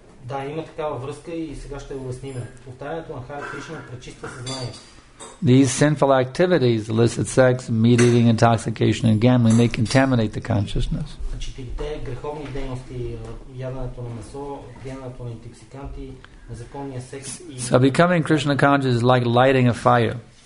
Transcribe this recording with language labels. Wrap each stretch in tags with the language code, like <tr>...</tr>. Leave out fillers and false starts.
<bg>Да, има такава връзка и сега ще го обясним. Повтарянето на Хари Кришна пречиства съзнание.</bg> <en>These sinful activities, illicit sex, meat eating, intoxication, and gambling, they contaminate the consciousness.</en> <bg>Те греховни дейности, яденето на месо, пиенето на интоксиканти, незаконния секс.</bg> <en>So becoming Krishna conscious is like lighting a fire.</en>